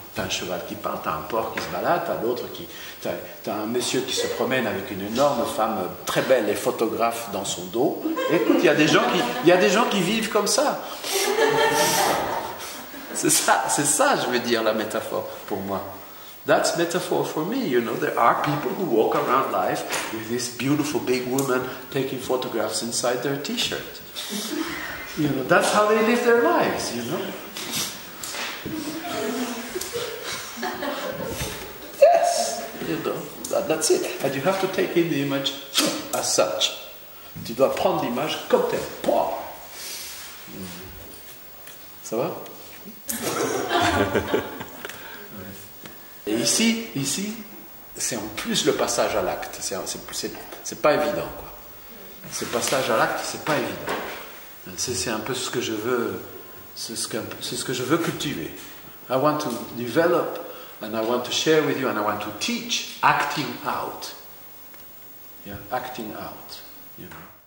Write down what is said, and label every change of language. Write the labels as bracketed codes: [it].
[fr] T'as un cheval qui parle, t'as un porc qui se balade, t'as l'autre qui... T'as un monsieur qui se promène avec une énorme femme très belle et photographe dans son dos. Écoute, il y a des gens qui vivent comme ça. C'est ça, je veux dire, la métaphore pour moi. [en] That's metaphor for me, you know. There are people who walk around life with this beautiful big woman taking photographs inside their t-shirt. You know, that's how they live their lives, you know. Yes, you know, that's it. And you have to take in the image as such. [fr] Tu dois prendre l'image comme telle. Pouah. Ça va? Et ici, c'est en plus le passage à l'acte. C'est pas évident, quoi. Ce passage à l'acte, c'est pas évident. C'est un peu ce que je veux, c'est ce que je veux cultiver. [en] I want to develop, and I want to share with you, and I want to teach acting out. Yeah, acting out. You know.